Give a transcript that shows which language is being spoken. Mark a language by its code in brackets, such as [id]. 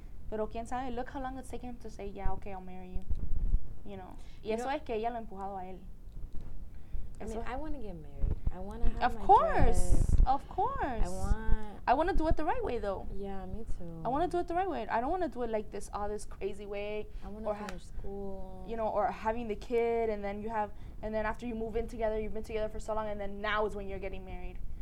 [es] Pero quién sabe, [en] look how long it's taken him to say, yeah, okay, I'll marry you. You know, [es] y eso es que ella lo ha empujado a él. [en] I mean, I want to get married. I want to have of my course, dress. Of course. I want to do it the right way, though. Yeah, me too. I want to do it the right way. I don't want to do it like this, all this crazy way. I want to finish school. You know, or having the kid, and then you have, and then after you move in together, you've been together for so long, and then now is when you're getting married.